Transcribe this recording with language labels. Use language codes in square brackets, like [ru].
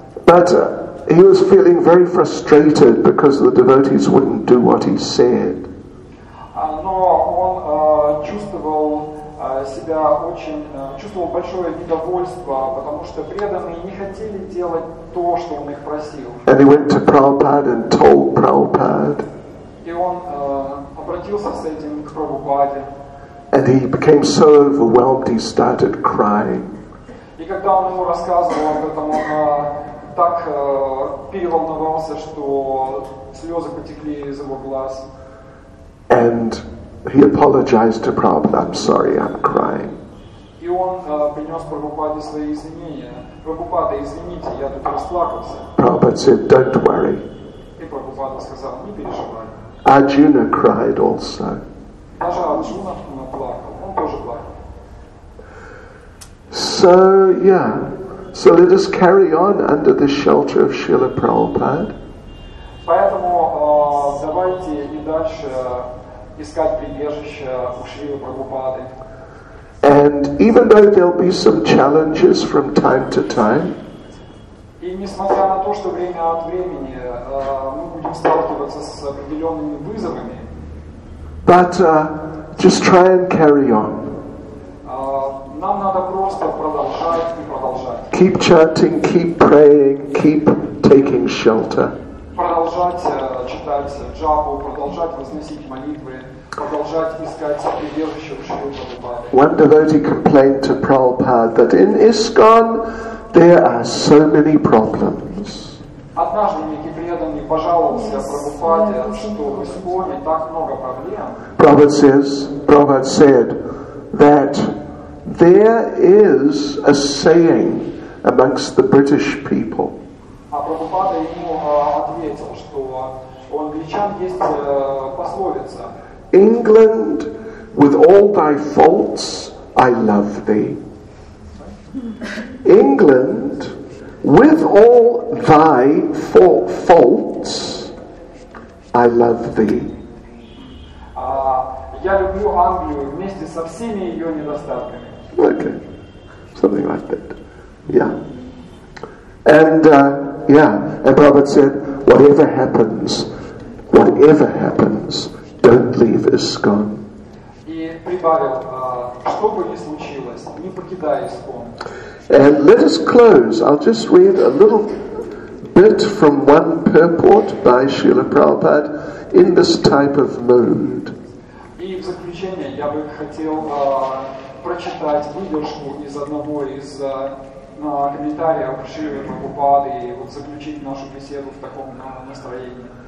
[en] But he was feeling very frustrated because the devotees wouldn't do what he said. [ru] Но он чувствовал себя очень, чувствовал большое недовольство, потому что преданные не хотели делать то, что он их просил. [en] And he went to Prabhupada and told Prabhupada. [ru] И он обратился с этим к Прабхупаде. [en] And he became so overwhelmed, he started crying. [ru] И когда он ему рассказывал об этом, он так переволновался, что слезы потекли из его глаз. [en] And he apologized to Prabhupada, I'm sorry, I'm crying. [ru] И он принес Прабхупаде свои извинения. Прабхупада, извините, я тут расплакался. [en] Prabhupada said, don't worry. [ru] И Прабхупада сказал, не переживай. [en] Arjuna cried also. [ru] Даже Арджуна плакал, он тоже плакал. [en] So, yeah. So let us carry on under the shelter of Srila Prabhupada. [ru] Поэтому давайте и дальше искать прибежище у Шрилы Прабхупады. [en] And even though there'll be some challenges from time to time, [ru] и несмотря на то, что время от времени мы будем сталкиваться с определенными вызовами, [en] but just try and carry on. [ru] Нам надо просто продолжать и продолжать. [en] Keep chanting, keep praying, keep taking shelter. [ru] Продолжать читать джапу, продолжать возносить молитвы, продолжать искать прибежище в Шри Прабхупаде. [en] One devotee complained to Prabhupada that in ISKCON there are so many problems. [ru] Однажды некий преданный пожаловался Прабхупаде, что в Исконе так много проблем. [en] Prabhupada said that there is a saying amongst the British people. [ru] А Прабхупада ему ответил, что у англичан есть пословица. [en] England, with all thy faults, I love thee. England, with all thy faults, I love thee. [ru] Я люблю Англию вместе со всеми ее недостатками. [en] Okay, something like that. Yeah. And and Prabhupada said, whatever happens, don't leave ISKCON. [ru] И прибавил, что бы ни случилось, не покидай ISKCON. [en] And let us close. I'll just read a little bit from one purport by Srila Prabhupada in this type of mood. [ru] И в заключение я бы хотел прочитать выдержку из одного из комментариев Шрилы Прабхупады и вот заключить нашу беседу в таком настроении.